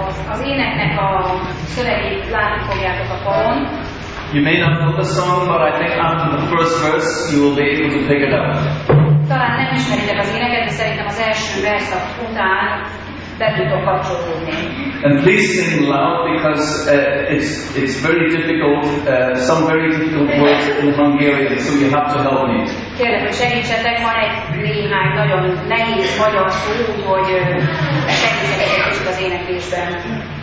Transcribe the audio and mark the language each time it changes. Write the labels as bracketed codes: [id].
[hu] Az éneknek a szövegét látni fogjátok a falon. [en] You may not know the song, but I think after the first verse you will be able to pick it up. [hu] Talán nem ismeritek az éneket, de szerintem az első verszak után be tudtok kapcsolódni. [en] And please sing loud because it's very difficult, some very difficult words in Hungarian, so you have to help me. [hu] Kérlek, hogy segítsetek, van egy néhány nagyon nehéz magyar szó, úgyhogy segítsetek egy kicsit az éneklésben.